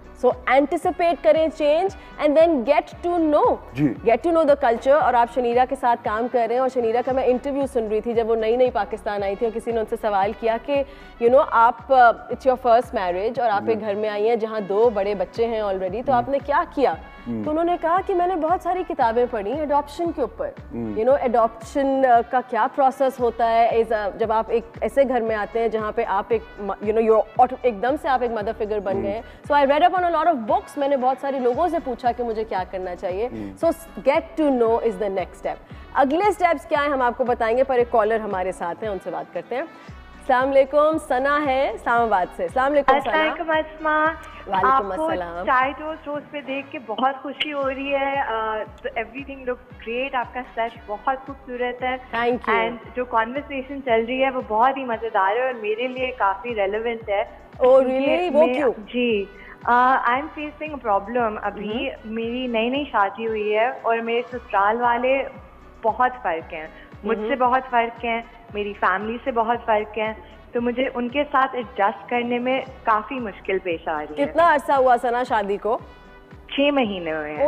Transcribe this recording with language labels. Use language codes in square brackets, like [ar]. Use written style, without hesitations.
[en] So anticipate करें change and then get to know. [hi] Ji. [en] Get to know the culture. [hi] और आप शनीरा के साथ काम कर रहे हैं और शनीरा का मैं interview सुन रही थी जब वो नई नई पाकिस्तान आई थी और किसी ने उनसे सवाल किया कि [en] you know [hi] आप [en] it's your first marriage [hi] और आप एक घर में आई हैं जहाँ दो बड़े बच्चे हैं already तो आपने क्या किया? तो उन्होंने कहा कि मैंने बहुत सारी किताबें पढ़ी adoption के ऊपर. [en] You know [hi] adoption का क्या process होता है? Is जब आप एक ऐसे घर में आते हैं जहाँ पे आप एक you know एकदम से आप एक mother figure बन गए. [en] So I read up on a lot of books. [hi] मैंने बहुत सारे लोगों से पूछा कि मुझे क्या करना चाहिए. [en] So get to know is the next step. [hi] अगले steps क्या हैं हम आपको बताएंगे पर एक caller हमारे साथ हैं उनसे बात करते हैं. Assalamualaikum, Sana है इस्लामाबाद से. Assalamualaikum, Sana. Assalamualaikum, Asma. आपको चाय टोस्ट रोज़ पे देख के बहुत खुशी हो रही है. [en] Everything looks great. [hi] आपका सच बहुत खूबसूरत है. [en] Thank you. [hi] And जो conversation चल रही है वो बहुत ही मज़ेदार है और मेरे लिए काफी relevant है. [en] Oh really? [hi] वो क्यों? [en] जी, I'm facing a problem. [hi] अभी मेरी नई शादी हुई है और मेरे ससुराल वाले बहुत फर्क हैं. मुझसे बहुत फर्क हैं. मेरी फैमिली से बहुत फर्क हैं. तो मुझे उनके साथ एडजस्ट करने में काफी मुश्किल पेश आ रही है. कितना अरसा हुआ सना शादी को? 6 महीने हुए हैं.